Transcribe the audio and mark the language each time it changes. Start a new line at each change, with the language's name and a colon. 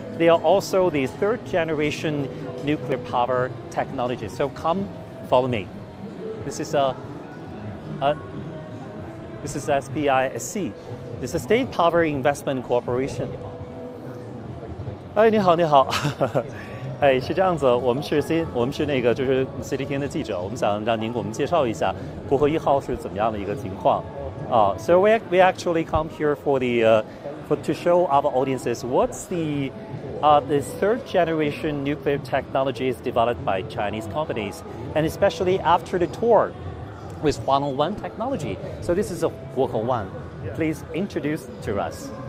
English: They are also the third generation nuclear power technology. So come follow me. This is SPIC, this is State Power Investment Corporation.
Chinese: 哎，你好，你好。哎，是这样子，我们是那个就是 CGTN 的记者，我们想让您给我们介绍一下国和一号是怎么样的一个情况。
English: So we actually come here to show our audiences what's the third generation nuclear technologies developed by Chinese companies, and especially after the tour with 101 technology. So this is a 国和万.Please introduce to us.